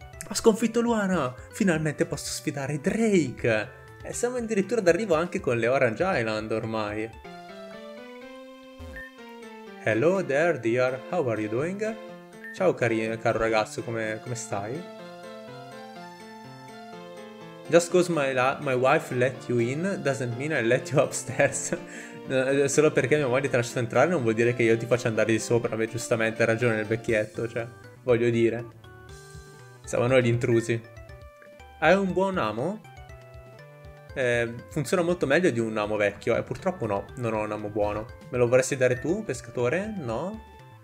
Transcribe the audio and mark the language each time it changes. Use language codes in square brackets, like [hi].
[it] Ho sconfitto Luana! Finalmente posso sfidare Drake! E siamo addirittura d'arrivo anche con le Orange Island ormai. [en] Hello there, dear. How are you doing? [it] Ciao caro ragazzo, come stai? [en] Just cause my wife let you in doesn't mean I let you upstairs. [it] Solo perché mia moglie ti ha lasciato entrare non vuol dire che io ti faccia andare di sopra. Beh, giustamente ha ragione il vecchietto, cioè, voglio dire. Siamo noi gli intrusi. Hai un buon amo? Funziona molto meglio di un amo vecchio. Purtroppo no, non ho un amo buono. Me lo vorresti dare tu, pescatore? No?